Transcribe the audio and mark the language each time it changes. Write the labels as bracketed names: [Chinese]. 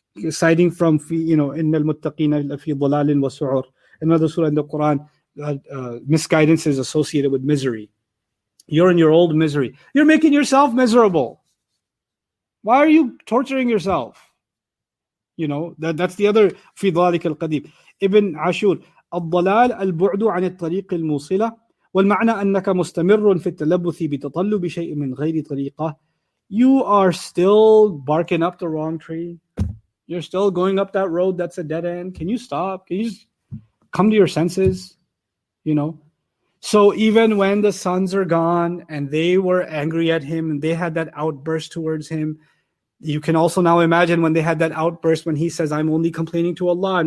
[English] Citing from, you know, [Arabic] inna al-muttaqina fi dalalin wa su'ur, [English] another surah in the Quran, misguidance is associated with misery. You're in your old misery. You're making yourself miserable. Why are you torturing yourself? You know, that's the other [Arabic] fi dalalik al-qadim. Ibn Ashur, al-dalal al-bu'du an al-tariq al-musila. والمعنى أنك مستمر في التلبث بتطلب شيء من غير طريقة. [English] You are still barking up the wrong tree. You're still going up that road that's a dead end. Can you stop? Can you just come to your senses? You know? So even when the sons are gone and they were angry at him and they had that outburst towards him, you can also now imagine when they had that outburst when he says, I'm only complaining to Allah.